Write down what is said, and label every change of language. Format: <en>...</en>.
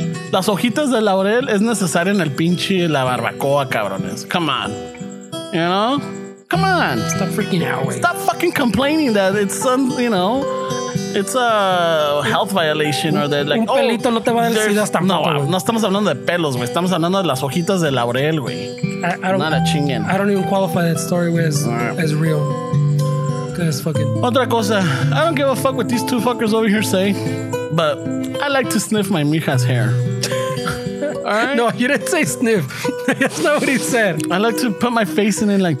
<es>Las hojitas de laurel es necesaria en el pinche la barbacoa, cabrones.</es> <en>Come on. You know? Come on. Stop freaking out, wait. Stop fucking complaining that it's, you know, it's a health violation or that like,</en> <es>un pelito oh, no te va a dar sida tampoco. No, no estamos hablando de pelos, güey. Estamos hablando de las hojitas de laurel, güey.</es> <en>Not a chingen. I don't even qualify that story as real. Because fucking.</en> <es>Otra cosa.</es> <en>I don't give a fuck what these two fuckers over here say. But I like to sniff my mija's hair. All right? No, you didn't say sniff. That's not what he said. I like to put my face in it like...</en>